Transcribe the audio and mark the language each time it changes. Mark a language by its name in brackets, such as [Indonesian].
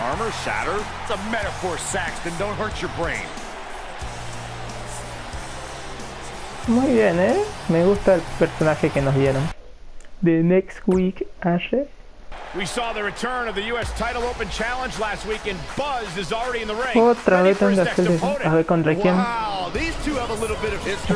[English] Armor shatter? It's a metaphor, Saxton. Don't hurt your brain. [Spanish] Muy bien, ¿eh? Me gusta el personaje que nos dieron. [English] The next week, Ashe. We saw the return of the U.S. title open challenge last week, and Buzz is already in the ring. [Spanish] Otra vez tengo que hacer a ver contra quién. [English] Wow, these two have a little bit of history.